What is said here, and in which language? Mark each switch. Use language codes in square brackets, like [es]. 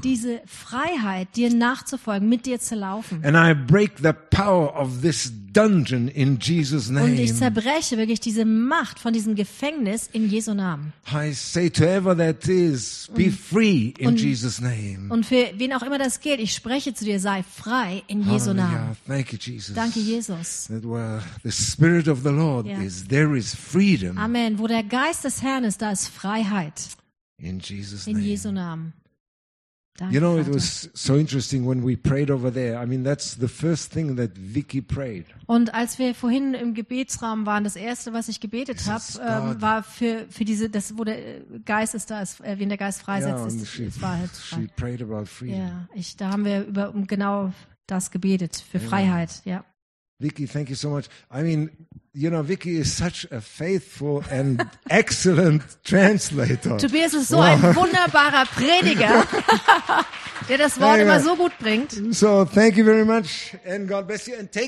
[de] Diese Freiheit, dir nachzufolgen, mit dir zu laufen. [en] And I break the power of this dungeon in Jesus' name. [de] Und ich zerbreche wirklich diese Macht von diesem Gefängnis in Jesu Namen. [en] I say to whoever that is, be free in Jesus' name. [de] Und für wen auch immer das gilt, ich spreche zu dir, sei frei in Jesu Namen. [en] Thank you, Jesus. [de] Danke, Jesus. [en] That where the Spirit of the Lord is, there is freedom. Amen. [de] Wo der Geist des Herrn ist, da ist Freiheit. [en] In Jesus' [de] name. In Jesu Namen. Danke, [en] you know, [de] Vater. [en] It was so interesting when we prayed over there. I mean, that's the first thing that Vicky prayed. [de] Und als wir vorhin im Gebetsraum waren, das erste, was ich gebetet habe, war für diese, das, wo der Geist ist, da ist, wen der Geist freisetzt, ist [en] she prayed about freedom. [de] Ja, da haben wir über genau das gebetet, für Freiheit, ja. [en] Vicky, thank you so much. I mean, you know, Vicky is such a faithful and excellent translator. [de] Tobias ist so ein wunderbarer Prediger, der das Wort immer so gut bringt. [en] So, thank you very much and God bless you and take